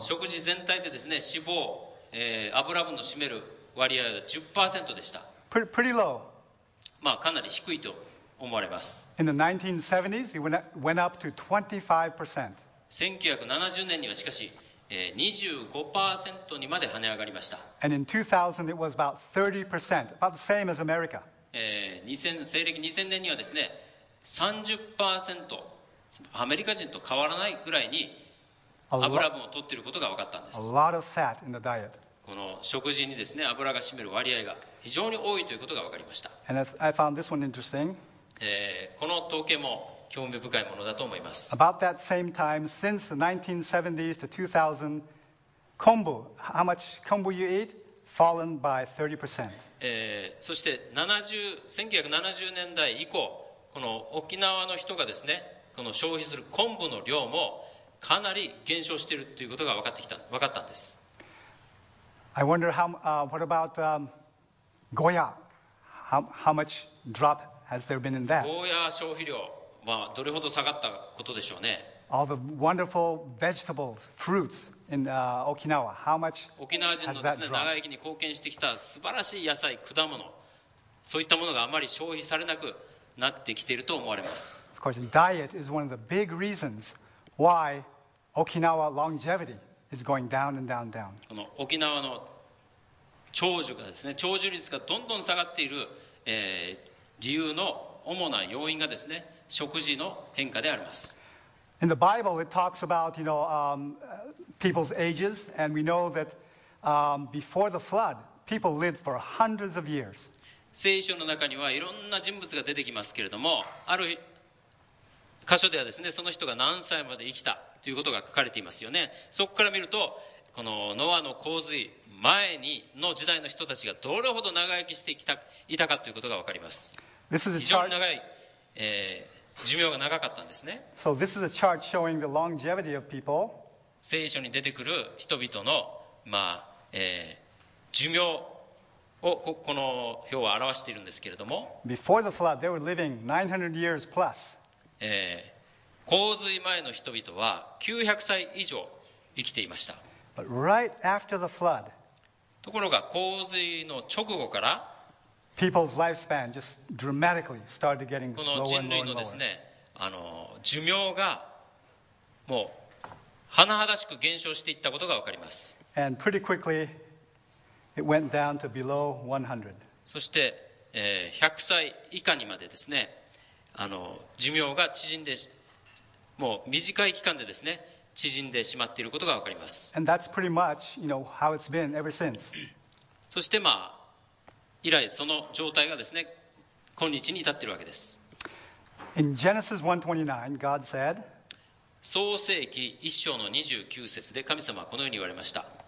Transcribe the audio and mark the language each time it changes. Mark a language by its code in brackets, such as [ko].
[ja] 食事全体でですね、脂肪、油分の占める割合は 10% でした。 [en] Pretty low. [ja] まあ、かなり低いと思われます。 [en] In the 1970s, it went up to 25%. [ja] 1970年にはしかし 25% にまで跳ね上がりました。 [en] And in 2000, it was about 30%, about the same as America. [ja] 西暦2000年にはですね、 30% アメリカ人と変わらないぐらいに油分を取っていることが分かったんです。 [en] A lot of fat in the diet. [ja] この食事にですね、油が占める割合が非常に多いということが分かりました。 [en] And I found this one interesting. [ja] この統計も興味深いものだと思います。 [en] About that same time, since the 1970s to 2000, kombu, how much kombu you eat, fallen by 30%. [ja] そして1970年代以降、この沖縄の人がですね、この消費する昆布の量もかなり減少しているということが分かったんです。 [en] I wonder how, what about Goya? How much drop has there been in that? [ja] Goya 消費量、まあ、どれほど下がったことでしょうね。 [en] All the wonderful vegetables, fruits in Okinawa. How much has that dropped? [ja] 沖縄人のですね、長生きに貢献してきた素晴らしい野菜、果物、そういったものがあまり消費されなくなってきていると思われます。 [en] Of course, diet is one of the big reasons why Okinawa longevity. Is going down and down, down. [ja] この沖縄の長寿がですね、長寿率がどんどん下がっている、理由の主な要因がですね、食事の変化であります。 [en] In the Bible, it talks about, you know, people's ages, and we know that, before the flood, people lived for hundreds of years. [ja] 聖書の中にはいろんな人物が出てきますけれども、ある箇所ではですね、その人が何歳まで生きた。ということが書かれていますよね。そこから見ると、このノアの洪水前にの時代の人たちがどれほど長生きしていたかということが分かります。 [en] This is a chart. [ja] 非常に長い、寿命が長かったんですね。 [en] So this is a chart showing the longevity of people. [ja] 聖書に出てくる人々の、まあ寿命を この表は表しているんですけれども。 [en] Before the flood, they were living 900 years plus. [ja] 洪水前の人々は900歳以上生きていました。 [en] But right after the flood, [ja] ところが洪水の直後から [en] people's lifespan just dramatically started getting lower and lower. [ja] この人類のですね、寿命がもう甚だしく減少していったことが分かります。 [en] And pretty quickly, it went down to below 100. [ja] そして、100歳以下にまでですね、寿命が縮んでもう短い期間でですね、縮んでしまっていることが分かります。 [en] And that's pretty much, you know, how it's been ever since. [ja] そして、まあ、以来その状態がですね、今日に至っているわけです。 [en] In Genesis 1:29, God said, [ja] 創世記1章の29節で神様はこのように言われました。